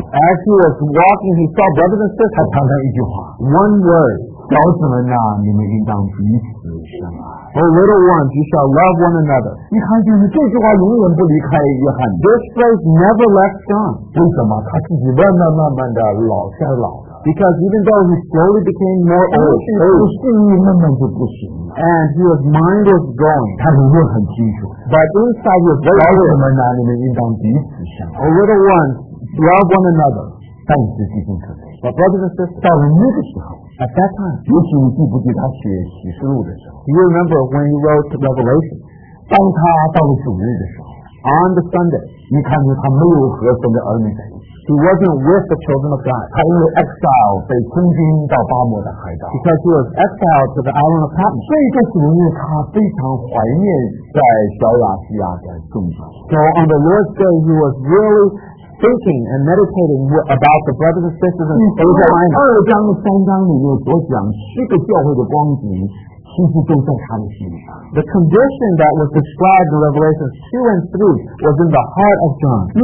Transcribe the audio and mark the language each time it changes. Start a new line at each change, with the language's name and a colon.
English: As he was walking, he saw brothers and sisters.
Chinese: 他常常一句话。
English: One word.
Chinese: 小子们啊，你们应当彼此相爱。
English: Oh, little ones, you shall love one another.
Chinese: 你看见这句话永远不离开约翰。
English: This phrase never left John.
Chinese: 为什么？他自己慢慢慢慢的老衰老了。
English: Because even though he slowly became more old, his mind was not working. And his mind was gone.
Chinese: 他永远很清楚。
English: But inside his
Chinese: heart, 小子们啊，你们应当彼此相爱。
English: Oh, little ones, love one another.
Chinese: 但是弟兄姊妹。
English: But brothers and sisters,
Chinese: 到了那个时候。
English: At that time,
Chinese: 尤其你记不记他写启示录的时候
English: ？You remember when he wrote Revelation?
Chinese: 当他到了主日的时候
English: ，On the Sunday,
Chinese: 你看见他没有和神的儿女在一起。
English: He wasn't with the children of God.
Chinese: 他因为 exile 被囚禁到巴摩的海岛。
English: Because he was exiled to the island of Patmos.
Chinese: 这就是因为他非常怀念在小亚细亚的众子。
English: So on the Lord's day, he was really thinking and meditating about the brothers and sisters in Asia Minor.
Chinese: 二章三章里面所讲七个教会的光景。
English: The condition that was described in Revelations 2 and 3 was in the heart of John.